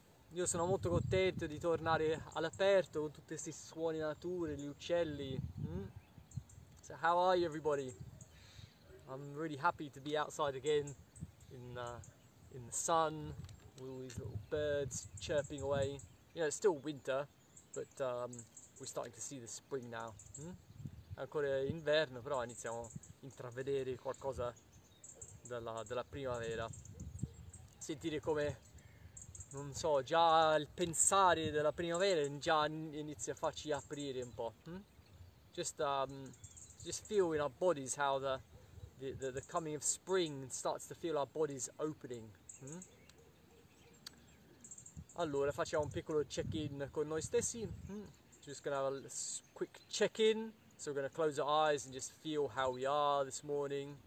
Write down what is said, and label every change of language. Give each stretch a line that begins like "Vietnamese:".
Italian: Io sono molto contento di tornare all'aperto con tutti questi suoni della natura, gli uccelli.
English: Mm? So how are you everybody? I'm really happy to be outside again in the sun with all these little birds chirping away. You know, it's still winter, but we're starting to see the spring now. Mm?
Italian: È ancora inverno, però iniziamo a intravedere qualcosa della primavera. Sentire come, non so, già il pensare della primavera già inizia a farci aprire un po'. Hmm?
English: Just feel in our bodies how the coming of spring starts to feel our bodies opening. Hmm?
Italian: Allora, facciamo un piccolo check-in con noi stessi.
English: Hmm? Just gonna have a quick check-in. So we're gonna close our eyes and just feel how we are this morning.